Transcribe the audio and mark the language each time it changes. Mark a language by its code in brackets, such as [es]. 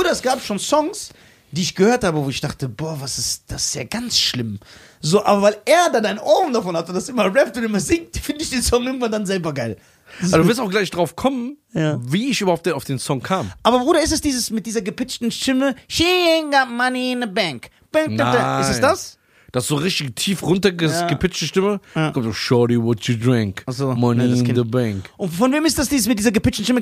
[de] Oder es gab schon Songs, die ich gehört habe, wo ich dachte, boah, was ist das, ist ja ganz schlimm. So, aber weil er dann ein Ohren davon hat und das immer rappt und immer singt, finde ich den Song irgendwann dann selber geil. Also du wirst auch gleich drauf kommen, wie ich überhaupt auf den Song kam. Aber Bruder, ist es dieses mit dieser gepitchten Stimme? [en] She ain't got money in the bank. [de] Nein. Ist es das? Das ist so richtig tief runtergepitchte Stimme. Ja. Kommt so, [en] shorty, what you drink? [de] Also, [en] money in the bank. [de] Und von wem ist das dieses mit dieser gepitchten Stimme?